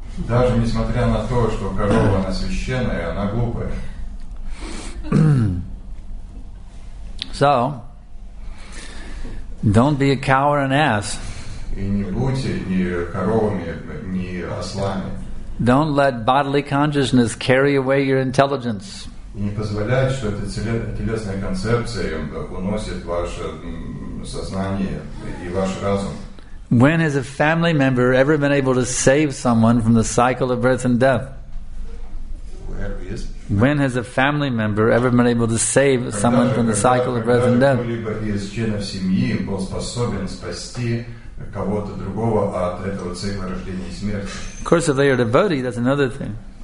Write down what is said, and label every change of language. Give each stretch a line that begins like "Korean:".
Russian: Даже несмотря на то, что корова она священная, она глупая.
English: So, don't be a cow or an ass.
Russian: И не будьте ни коровами, ни ослами.
English: Don't let bodily consciousness carry away your intelligence.
Russian: И не позволяй, что эта телесная концепция уносит ваше сознание и ваш разум.
English: When has a family member ever been able to save someone from the cycle of birth and death? When has a family member ever been able to save someone from the cycle of birth and death? Of course, if they are devotee, that's another thing.